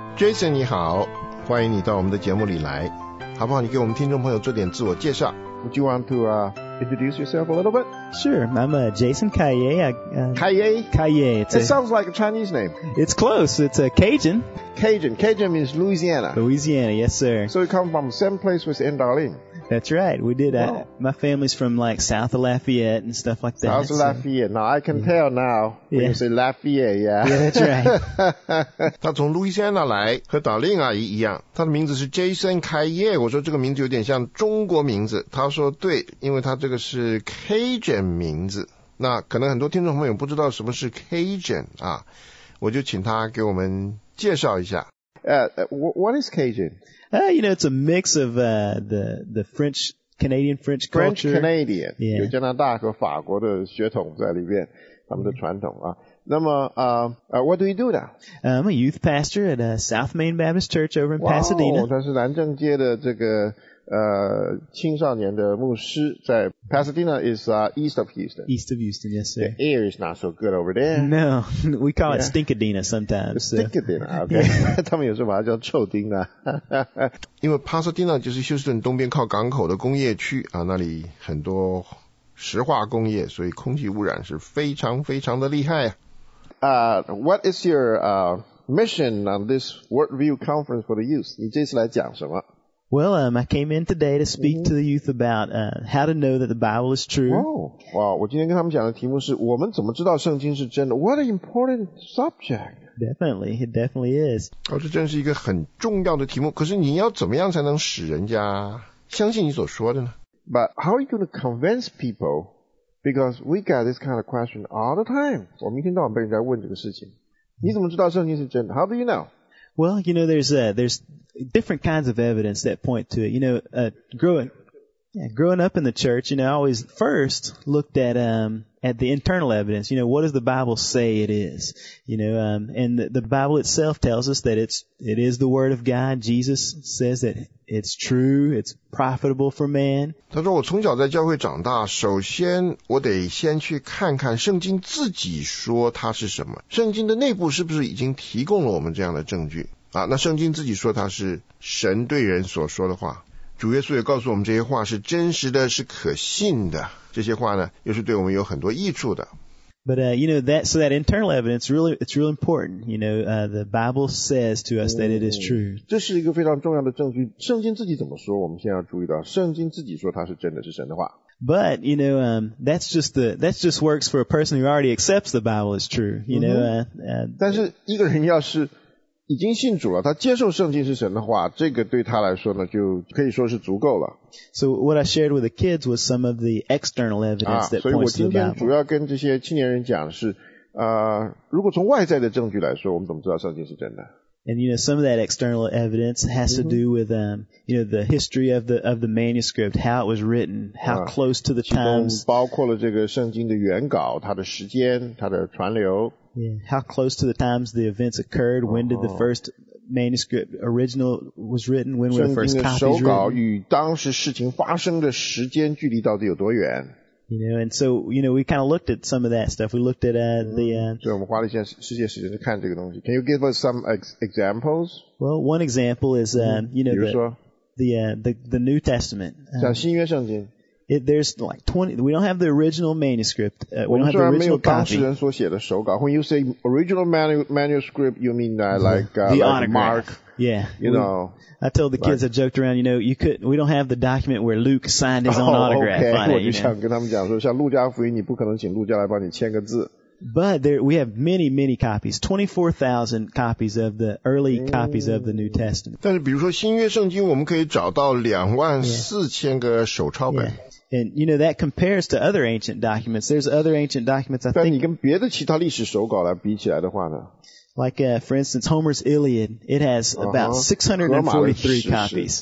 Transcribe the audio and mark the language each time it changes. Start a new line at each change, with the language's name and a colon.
Chinese: Jason 你好，欢迎你到我们的节目里来，好不好？你给我们听众朋友做点自我介绍。
English: Would you want to introduce yourself a little bit? Sure, I'm Jason Kaye. Kaye? Kaye. It sounds like a Chinese name. It's close. It's a Cajun. Cajun. Cajun means Louisiana. Louisiana, yes, sir. So you come from the same place with Anne Darling. That's right. We did. Wow. My family's from like South of Lafayette and stuff like that. South of Lafayette. Now I can tell now when you say Lafayette, yeah. Yeah, that's right.
Chinese: 他从 Louisiana 来，和 Darling 阿姨一样。他的名字是 Jason Kaye。我说这个名字有点像中国名字。他说对，因为他这个是 Cajun 名字，那可能很多听众朋友不知道什么是 Cajun 啊，我就请他给我们介绍一下。
English: What is Cajun? You know, it's a mix of the French Canadian French culture. French Canadian, yeah.
Chinese: 有加拿大和法国的血统在里面，他们的传统啊。那么
English: what do you do now? I'm a youth pastor at South Main Baptist Church over in Pasadena.
Chinese: 他是南政街的这个。青少年的牧师在 Pasadena
English: is east of Houston. East of Houston, yes, sir. The air is not so good over there. No, we call it Stinkadena sometimes. Stinkadena, okay.
Chinese: 他们有时候把它叫臭丁啊。因为 Pasadena 就是休斯顿东边靠港口的工业区啊，那里很多石化工业，所以空气污染是非常非常的厉害啊。
English: What is your mission on this Worldview Conference for the youth?
Chinese: 你这次来讲什么？
English: Well, I came in today to speak to the youth about how to know that the Bible is true.
Chinese: Wow, 我今天跟他们讲的题目是我们怎么知道圣经是真的?
English: What an important subject. Definitely, it definitely is.
Chinese: 这真是一个很重要的题目。可是你要怎么样才能使人家相信你所说的呢?
English: But how are you going to convince people? Because we got this kind of question all the time.
Chinese: 我们一天到晚被人家问这个事情。你怎么知道圣经是真的?
English: How do you know? Well, you know, there's different kinds of evidence that point to it. You know, growing up in the church, you know, I always first looked at the internal evidence. You know, what does the Bible say it is? You know, and the Bible itself tells us that it is the Word of God. Jesus says that it's true. It's profitable for man.
Chinese: 他说我从小在教会长大，首先我得先去看看圣经自己说它是什么。圣经的内部是不是已经提供了我们这样的证据？啊，那圣经自己说它是神对人所说的话，主耶稣也告诉我们这些话是真实的，是可信的。这些话呢，又是对我们有很多益处的。
English: But you know that so that internal evidence really it's really important. You know, the Bible says to us that it is true.
Chinese: 这是一个非常重要的证据。圣经自己怎么说？我们现在要注意到，圣经自己说它是真的，是神的话。
English: But you know, that's just works for a person who already accepts the Bible is true. You know,
Chinese: 但是一个人要是已经信主了，他接受圣经是神的话，这个对他来说呢，就可以说是足够了。
English: So what I shared with the kids was some of the external evidence that points to the Bible.
Chinese: 所以我今天主要跟这些青年人讲是，如果从外在的证据来说，我们怎么知道圣经是真的？
English: And you know, some of that external evidence has to do with you know, the history of the manuscript, how it was written, how close to the times.
Chinese: 其中包括了这个圣经的原稿，它的时间，它的传流。
English: Yeah, how close to the times the events occurred, when did the first manuscript original was written, when were the first copies written?
Chinese: 圣经的手稿与当时事情发生的时间距离到底有多远?
English: You know, and so, you know, we kind of looked at some of that stuff. We looked at
Chinese: so 我们花了一些世界时间去看这个东西。
English: Can you give us some examples? Well, one example is, you know, the New Testament.
Chinese: 像新约圣经。
English: We don't have the original manuscript. We don't have the original copy.
Chinese: 当事人所写的手稿.
English: When you say original manuscript, you mean like Mark. Yeah. I told the kids, I joked around, we don't have the document where Luke signed his own autograph on it.
Chinese: 我就想跟他们讲说, 像路加福音, 你不可能请路加来帮你签个字。
English: But we have many, many copies, 24,000 copies of the early copies of the New Testament.
Chinese: 但是比如说新约圣经, 我们可以找到24,000个手抄本。
English: And that compares to other ancient documents. There's other ancient documents, I think.
Chinese: 但你跟别的其他历史手稿来比起来的话呢?
English: Like, for instance, Homer's Iliad, it has about 643 copies.